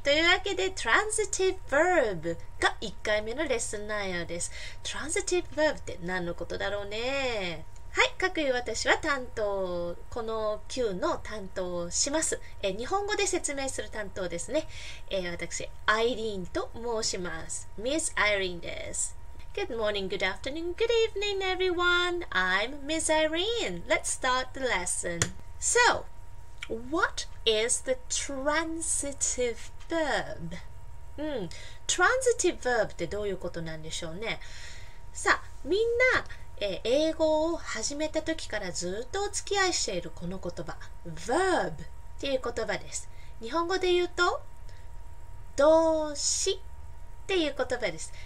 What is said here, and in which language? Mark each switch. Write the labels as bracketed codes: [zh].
[ja] というわけで Transitive Verb が1回目のレッスン内容です。 Transitive Verb って何のことだろうね。はい、各有私は担当、この級の担当をします。日本語で説明する担当ですね。私アイリーンと申します。 [en] Miss Irene です。 Good morning, good afternoon, good evening everyone. I'm Miss Irene. Let's start the lesson. SoWhat is the transitive verb? [ja] Transitive verb ってどういうことなんでしょうね。さあ、みんな、英語を始めた時からずっとお付き合いしているこの言葉、verb っていう言葉です。日本語で言うと、動詞っていう言葉です。